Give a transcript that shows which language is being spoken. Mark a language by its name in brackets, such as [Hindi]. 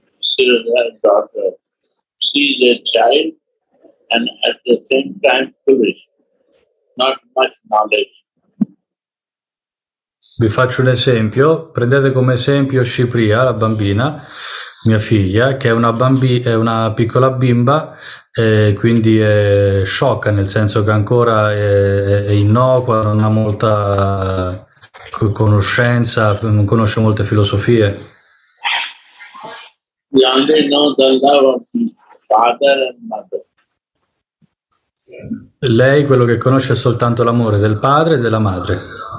[English] She is a child and at the same time foolish, not much knowledge. [Italian] Vi faccio un esempio. Prendete come esempio Shipriya, la bambina, mia figlia, che è una piccola bimba, quindi è sciocca, nel senso che ancora è innocua, non ha molta conoscenza, non conosce molte filosofie. [English] We only know the love of father and mother. [Italian] Lei quello che conosce è soltanto l'amore del padre e della madre.